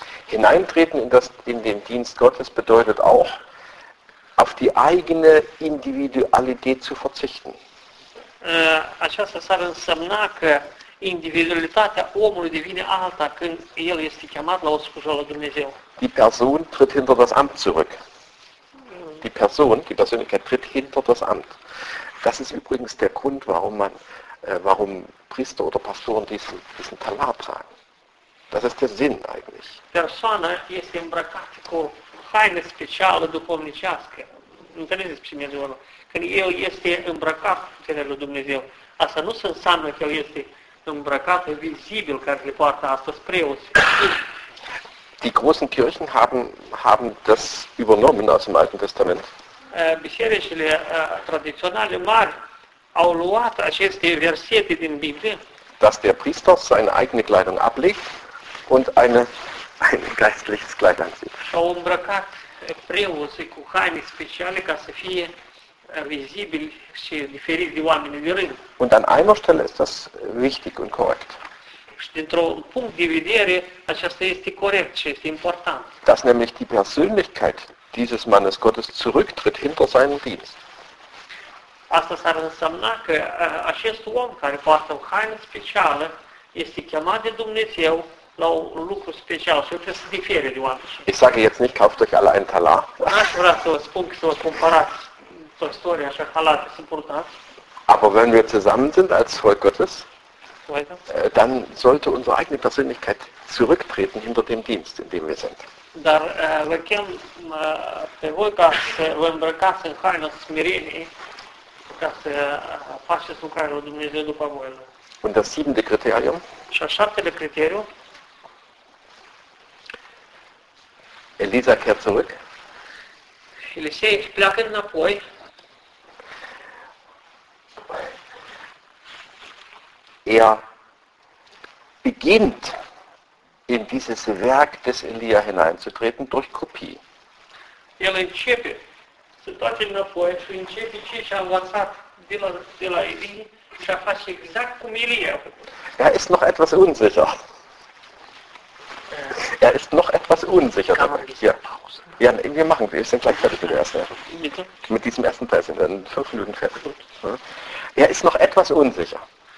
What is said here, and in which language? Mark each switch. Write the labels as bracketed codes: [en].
[de] Hineintreten in den Dienst Gottes bedeutet auch, auf die eigene Individualität zu verzichten. [ro] Aceasta s-ar însemna că individualitatea omului devine alta când el este chemat la o slujbă la Dumnezeu. [de] Die Person tritt hinter das Amt zurück. Die Persönlichkeit tritt hinter das Amt. Das ist übrigens der Grund, warum Priester oder Pastoren diesen Talar tragen. Das ist der Sinn eigentlich. [ro] Persoana este îmbrăcată cu haine speciale duhovnicească. Înțelegeți ce mi-a zis? Când el este îmbrăcat cu puterea lui Dumnezeu, asta nu se înseamnă că el este îmbrăcat vizibil, care le poartă astăzi preoți. [de] Die großen Kirchen haben das übernommen aus dem Alten Testament. [ro] Bisericile tradiționale mari au luat aceste versete din Biblie. [de] Dass der Priester seine eigene Kleidung ablegt und ein geistliches Kleid anzieht. [ro] Au îmbrăcat preoții cu haine speciale ca să fie vizibil și diferit de oamenii de rând. [de] Und an einer Stelle ist das wichtig und korrekt. [ro] dintr-un punct de vedere, aceasta este corect și este important. [de] Dass nämlich die Persönlichkeit dieses Mannes Gottes zurücktritt hinter seinen Dienst. [ro] Asta s-ar însemna că acest om care poartă o haină specială este chemat de Dumnezeu la un lucru special și trebuie să difere de oameni. [de] Ich sage jetzt nicht, kauft euch alle ein Talar. [ro] N-aș vrea să spun că să-ți cumpărați o istorie așa, halate, sunt purtați. [de] Aber wenn wir zusammen sind als Volk Gottes, dann sollte unsere eigene Persönlichkeit zurücktreten hinter dem Dienst, in dem wir sind. [ro] Dar vă chem pe voi ca să vă îmbrăcați în haină smerenie ca să faceți lucrarea lui Dumnezeu după voi. [de] Und das siebente Kriterium? [ro] Și al șaptele criteriu? [de] Elisa kehrt zurück. [ro] Elisei pleacă înapoi. [de] Er beginnt in dieses Werk des Elia hineinzutreten durch Kopie. [ro] El începe, se toate înapoi și începe ce și-a învățat de la Elie și a face exact cum Elie. [de] Er ist noch etwas unsicher. Er ist noch etwas unsicher. Ja, wir machen, wir sind gleich fertig mit der ersten. Mit diesem ersten Teil sind wir dann 5 Minuten fertig. Er ist noch etwas unsicher.